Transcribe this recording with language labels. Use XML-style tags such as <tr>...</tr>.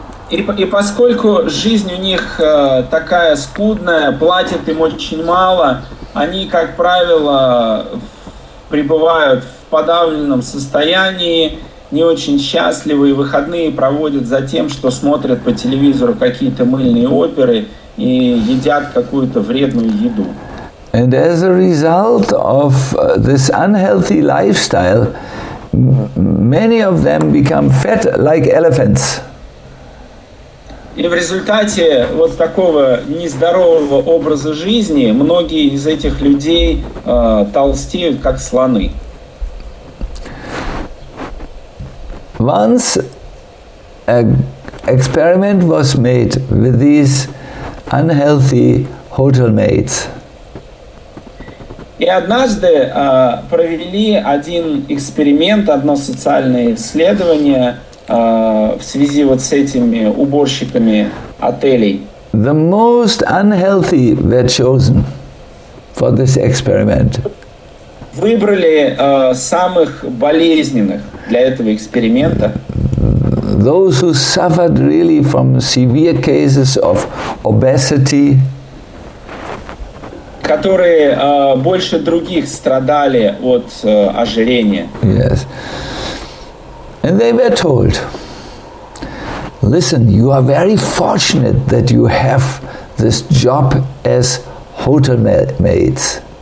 <ru>И поскольку жизнь у них такая скудная, платят им очень мало, они, как правило, пребывают в подавленном состоянии, не очень счастливы, и выходные проводят за тем, что смотрят по телевизору какие-то мыльные оперы и едят какую-то вредную еду.</ru> <en>And as a result of this unhealthy lifestyle, many of them become fat like elephants.</en> <ru>И в результате вот такого нездорового образа жизни многие из этих людей толстеют, как слоны.</ru> <en>Once an experiment was made with these unhealthy hotel maids.</en> <ru>И однажды провели один эксперимент, одно социальное исследование в связи вот с этими уборщиками отелей.</ru> <en>The most unhealthy were chosen for this experiment.</en> <ru>Выбрали самых болезненных для этого эксперимента.</ru> <en>Those who suffered really from severe cases of obesity.</en> <ru>Которые больше других страдали от ожирения.</ru> <en>Yes. And they were told, listen, you are very fortunate that you have this job as hotel maids.</en>